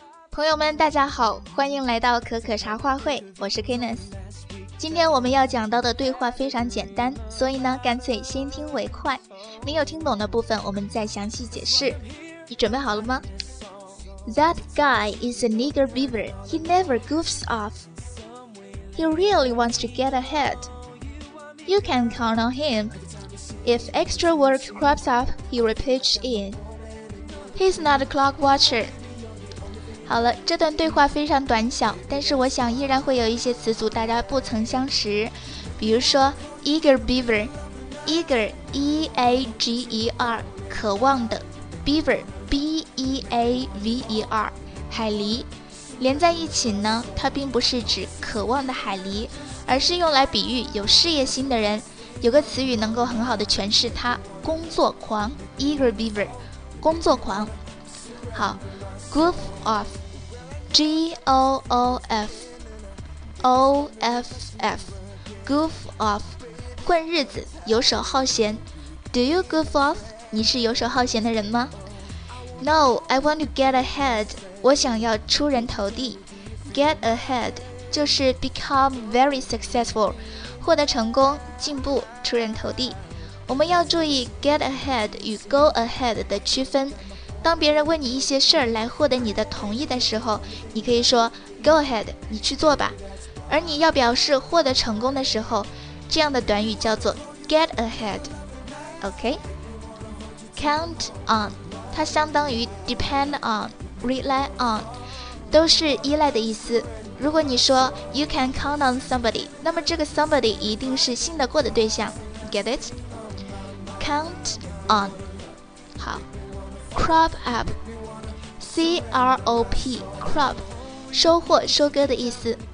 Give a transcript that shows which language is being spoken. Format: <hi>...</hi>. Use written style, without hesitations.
<zh>朋友们大家好，欢迎来到可可茶话会，我是 Kenneth。今天我们要讲到的对话非常简单，所以呢干脆先听为快，没有听懂的部分我们再详细解释。你准备好了吗？</zh> <en>That guy is a nigger beaver. He never goofs off. He really wants to get ahead. You can count on him. If extra work crops up, he will pitch in. He's not a clock watcher.</en> <zh>好了，这段对话非常短小，但是我想依然会有一些词组大家不曾相识，比如说 eager beaver， eager E-A-G-E-R 渴望的， beaver B-E-A-V-E-R 海狸，连在一起呢，它并不是指渴望的海狸，而是用来比喻有事业心的人。有个词语能够很好的诠释它，工作狂， eager beaver， 工作狂。好，Goof off, G-O-O-F, O-F-F, goof off, 混日子，游手好闲。 Do you goof off? 你是游手好闲的人吗？ No, I want to get ahead, 我想要出人头地。 Get ahead, 就是 become very successful, 获得成功，进步，出人头地。我们要注意 get ahead 与 go ahead 的区分。当别人问你一些事儿来获得你的同意的时候，你可以说 go ahead， 你去做吧。而你要表示获得成功的时候，这样的短语叫做 get ahead。 OK， count on 它相当于 depend on， rely on 都是依赖的意思。如果你说 you can count on somebody，那么这个 somebody 一定是信得过的对象。 get it， count on。好，Crop up, C-R-O-P, crop, 收获收割的意思。</zh>